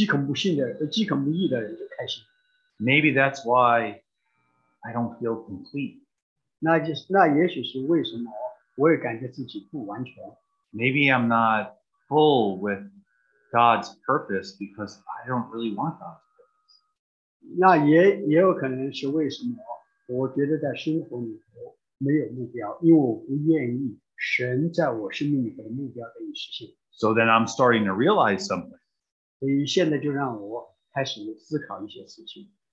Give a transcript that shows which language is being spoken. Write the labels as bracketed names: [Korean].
[Chinese] 也许耶稣在这样，就像耶稣这样说的，这就也许是我在世上不开心的原因，因为这里说开心的人，饥渴不信的人就开心。 [English] Maybe that's why I don't feel complete. [Chinese] 那也许是为什么我也感觉自己不完全。 [English] Maybe I'm not full with God's purpose because I don't really want God's purpose. [Chinese] 那也有可能是为什么我觉得在生活里头没有目标，因为我不愿意神在我生命里头的目标得以实现。 [English] So then I'm starting to realize something. [Chinese] 所以现在就让我开始思考一些事情。